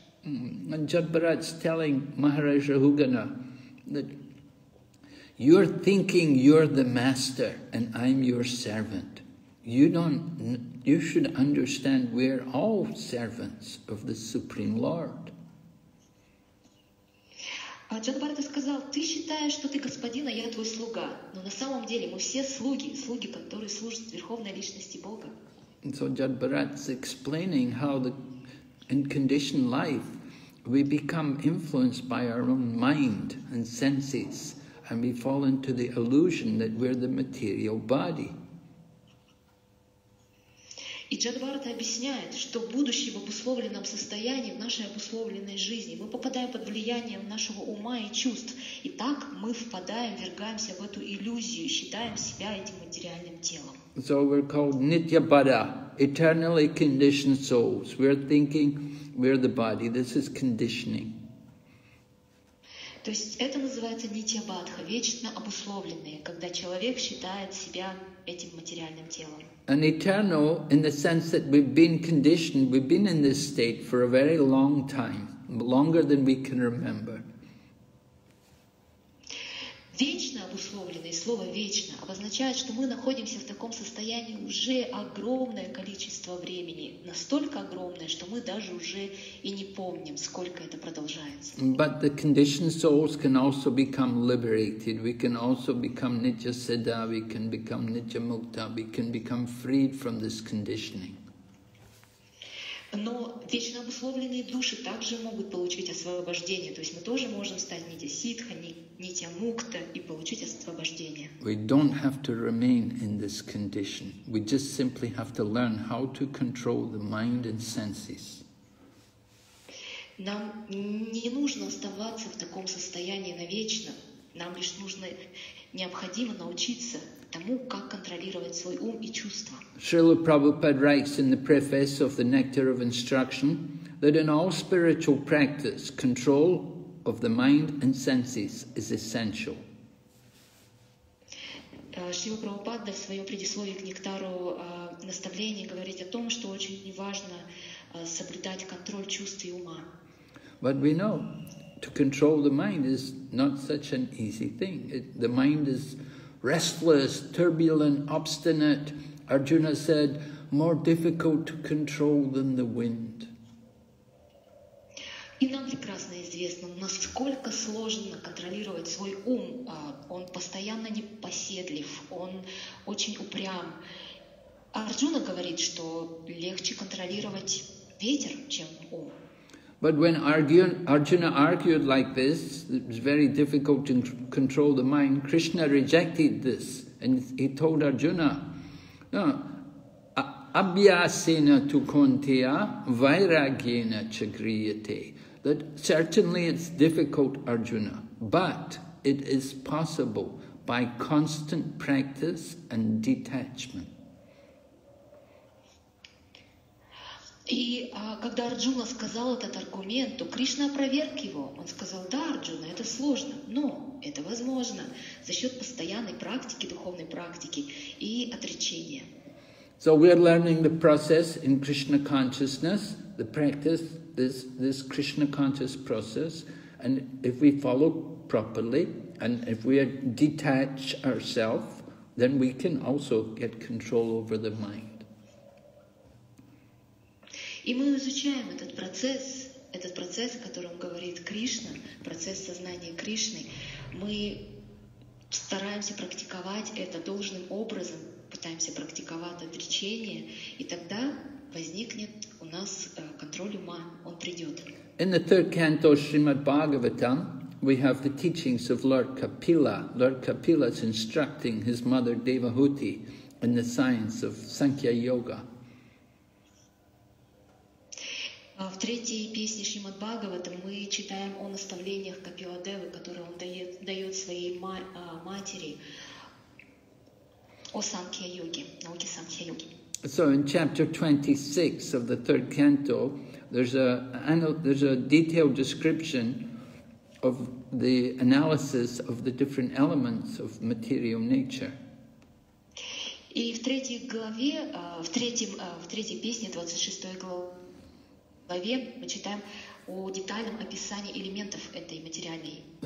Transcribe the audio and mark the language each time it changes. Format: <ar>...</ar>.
<en>And Jadbarat's telling Maharaj Rahugana that you're thinking you're the master and I'm your servant. You should understand we're all servants of the Supreme Lord.</en> <ru>Джадабарата сказал, ты считаешь, что ты господин, а я твой слуга. Но на самом деле мы все слуги, которые служат Верховной Личности Бога.</ru> <en>So Jadbarat's explaining how in conditioned life we become influenced by our own mind and senses and we fall into the illusion that we're the material body.</en> <ru>И Джадабарата объясняет, что в будущем в обусловленном состоянии, в нашей обусловленной жизни, мы попадаем под влияние нашего ума и чувств. И так мы впадаем, ввергаемся в эту иллюзию, считаем себя этим материальным телом.</ru> <en>So we're called Nityabada, eternally conditioned souls. We're thinking we're the body. This is conditioning.</en> <ru>То есть это называется Нитьябадха, вечно обусловленные, когда человек считает себя этим материальным телом.</ru> <en>An eternal in the sense that we've been conditioned, we've been in this state for a very long time, longer than we can remember.</en> <ru>Вечно обусловленное слово вечно обозначает, что мы находимся в таком состоянии уже огромное количество времени, настолько огромное, что мы даже уже и не помним, сколько это продолжается.</ru> <en>But the conditioned souls can also become liberated. We can also become Nitya Siddha, we can become Nitya Mukta, we can become freed from this conditioning.</en> <ru>Но вечно обусловленные души также могут получить освобождение. То есть мы тоже можем стать нитья ситха, нитья мукта и получить освобождение.</ru> <en>We don't have to remain in this condition. We just simply have to learn how to control the mind and senses.</en> <ru>Нам не нужно оставаться в таком состоянии навечно. Нам лишь нужно, необходимо научиться тому, как контролировать свой ум и чувства.</ru> <en>Шрила Прабхупада writes in the preface of the Nectar of Instruction that in all spiritual practice, control of the mind and senses is essential.</en> <ru>Шрила Прабхупада в своем предисловии к Нектару наставлений говорит о том, что очень важно соблюдать контроль чувств и ума.</ru> <en>But we know to control the mind is not such an easy thing. The mind is restless, turbulent, obstinate. Arjuna said, more difficult to control than the wind.</en> <ru>И нам прекрасно известно, насколько сложно контролировать свой ум. Он постоянно непоседлив, он очень упрям. Арджуна говорит, что легче контролировать ветер, чем ум.</ru> <en>But when Arjuna argued like this, it was very difficult to control the mind, Krishna rejected this and he told Arjuna, no,</en> <sa>abhyasena tu kuntiya vairagena chagriyate,</sa> <en>that certainly it's difficult, Arjuna, but it is possible by constant practice and detachment.</en> <ru>И когда Арджуна сказал этот аргумент, то Кришна опроверг его. Он сказал: да, Арджуна, это сложно, но это возможно за счет постоянной практики, духовной практики и отречения.</ru> <en>So we are learning the process in Krishna consciousness, the practice, this Krishna conscious process, and if we follow properly, and if we detach ourselves, then we can also get control over the mind.</en> <ru>И мы изучаем этот процесс, о котором говорит Кришна, процесс сознания Кришны. Мы стараемся практиковать это должным образом, пытаемся практиковать отречение, и тогда возникнет у нас контроль ума, он придет.</ru> <en>In the third canto Srimad Bhagavatam, we have the teachings of Lord Kapila. Lord Kapila is instructing his mother Devahuti in the science of Sankhya Yoga.</en> <ru>В третьей песне Шримад Бхагаватам мы читаем о наставлениях Капиладевы, которые он дает своей матери о Санкхья-йоге, науке Санкхья-йоги.</ru> <en>So in chapter 26 of the third canto, there's a detailed description of the analysis of the different elements of material nature.</en> <ru>И в третьей главе, в третьей песне, 26 главе, мы читаем о детальном описании элементов этой материальной природы.</ru>